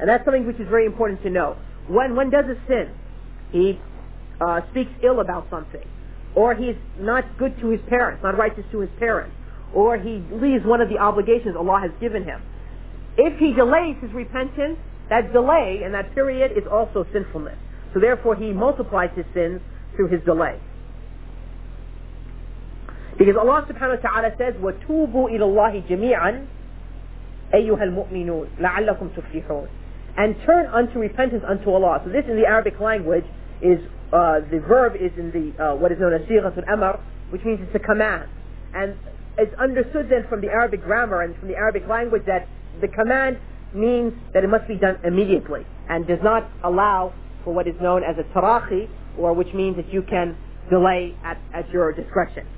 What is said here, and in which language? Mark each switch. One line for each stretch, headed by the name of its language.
English: And that's something which is very important to know. When one does a sin, he speaks ill about something, or he's not good to his parents, not righteous to his parents, or he leaves one of the obligations Allah has given him. If he delays his repentance, that delay and that period is also sinfulness. So therefore he multiplies his sins through his delay. Because Allah subhanahu wa ta'ala says,
Arabic: وَتُوبُوا إِلَى اللَّهِ جَمِيعًا أَيُّهَا الْمُؤْمِنُونَ لَعَلَّكُمْ تُفْلِحُونَ.
English: And turn unto repentance unto Allah. So this in the Arabic language is, the verb is in the, what is known as Sighatul Amr, which means it's a command. And it's understood then from the Arabic grammar and from the Arabic language that the command means that it must be done immediately and does not allow for what is known as a tarakhi, or which means that you can delay at your discretion.